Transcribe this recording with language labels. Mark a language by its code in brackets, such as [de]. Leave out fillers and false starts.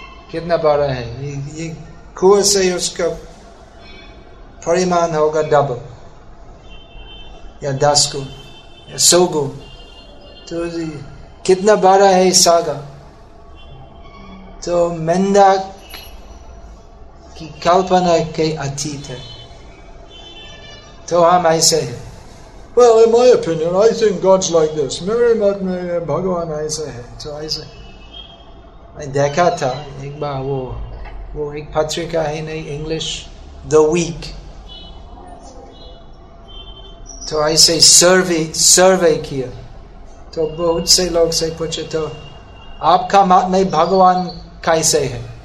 [hi] कितना बड़ा है ये कुएं से उसका परिमाण होगा डबल या दस गुण या सौ गुण। तो कितना बड़ा है सागर? तो मेंढक की कल्पना के अतीत है। तो हम ऐसे है। [en] Well, in my opinion, I think God's like this. [hi] मेरे मत में भगवान ऐसे है। तो ऐसे मैं देखा था एक बार, वो एक पत्रिका है नहीं इंग्लिश, द वीक। तो ऐसे सर्वे किया तो बहुत से लोग से पूछे, तो आपका मत में भगवान कैसे है?